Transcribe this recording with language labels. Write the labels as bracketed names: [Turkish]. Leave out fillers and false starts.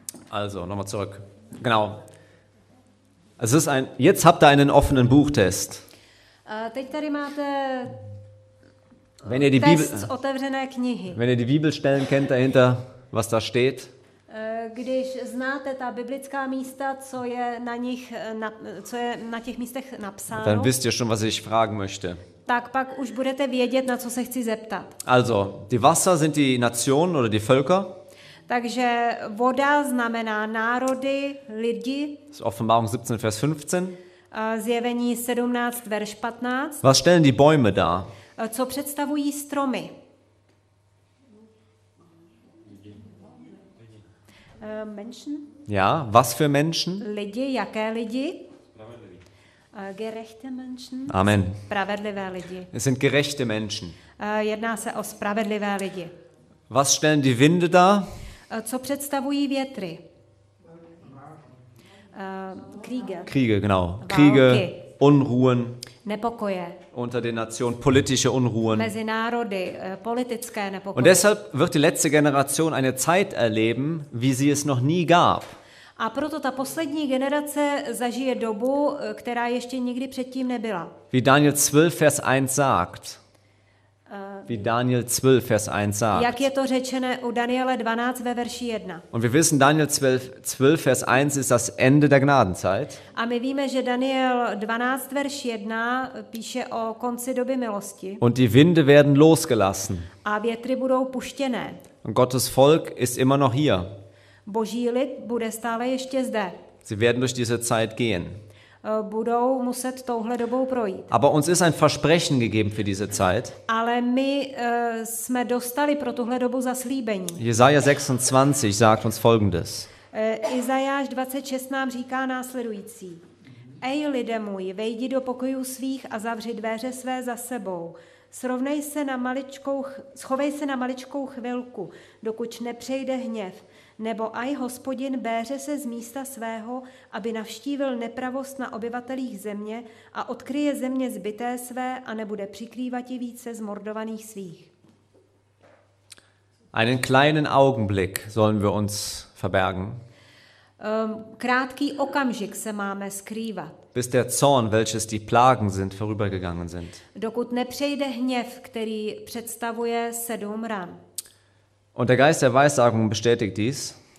[German] Also, nochmal zurück. Genau. Es ist ein, jetzt habt ihr einen offenen Buchtest. [Czech] Teď tady máte [German] wenn ihr die test Bibel, [Czech] otevřené knihy. [German] Wenn ihr die Bibelstellen kennt dahinter, was da steht. [Czech] Když znáte ta biblická místa, co je na nich, na, co je na těch místech napsáno. [German] Dann wisst ihr schon, was ich fragen möchte. [Czech] Tak pak už budete vědět, na co se chci zeptat. [German] Also, die Wasser sind die Nationen oder die Völker? [Czech] Takže voda znamená národy, lidi. [German] Z Offenbarung 17 Vers 15. [Czech] Zjevení 17 Vers 15. [German] Was stellen die Bäume dar? [Czech] Co představují stromy? [German] Menschen? Ja, was für Menschen? [Czech] Lidi, jaké lidi? [German] Gerechte Menschen. Amen. [Czech] Spravedlivé lidi. [German] Es sind gerechte Menschen. [Czech] Jedná se o spravedlivé lidi. [German] Was stellen die Winde dar? [Czech] Co představují větry? [German] Kriege. Kriege, genau. Kriege, [Czech] Války. [German] Unruhen. [Czech] Nepokoje. [German] Unter den Nationen politische Unruhen. [Czech] Mezi národy, politické nepokoje. [German] Und deshalb wird die letzte Generation eine Zeit erleben, wie sie es noch nie gab. [Czech] A proto ta poslední generace zažije dobu, která ještě nikdy předtím nebyla. [German] Wie Daniel 12 Vers 1 sagt. Wie Daniel 12 Vers 1 sagt. [Czech] Jak je to řečené u Daniele 12 ve verši 1. [German] Und wir wissen Daniel 12 Vers 1 ist das Ende der Gnadenzeit. [Czech] A my víme, že Daniel 12 Vers 1 píše o konci doby milosti. [German] Und die Winde werden losgelassen. [Czech] A větry budou puštěné. [German] Und Gottes Volk ist immer noch hier. [Czech] Boží lid bude stále ještě zde. [German] Sie werden durch diese Zeit gehen. [Czech] Budou muset touhle dobou projít. [German] Aber uns ist ein Versprechen gegeben für diese Zeit. [Czech] Ale my jsme dostali pro tuhle dobu zaslíbení. [German] Jesaja 26 sagt uns folgendes. [Czech] Jesajáš 26 nám říká následující. Ej lidé můj, vejdi do pokojů svých a zavři dveře své za sebou. Srovnej se na maličkou, schovej se na maličkou chvilku, dokud nepřejde hněv. Nebo aj Hospodin béře se z místa svého, aby navštívil nepravost na obyvatelích země a odkryje země zbyté své a nebude přikrývat i více zmordovaných svých. [German] Einen kleinen Augenblick sollen wir uns verbergen. [Czech] Krátký okamžik se máme skrývat. [German] Bis der Zorn, welches die Plagen sind, vorübergegangen sind. [Czech] Dokud nepřejde hněv, který představuje sedm ran. [German] Und der Geist der Weissagung bestätigt dies.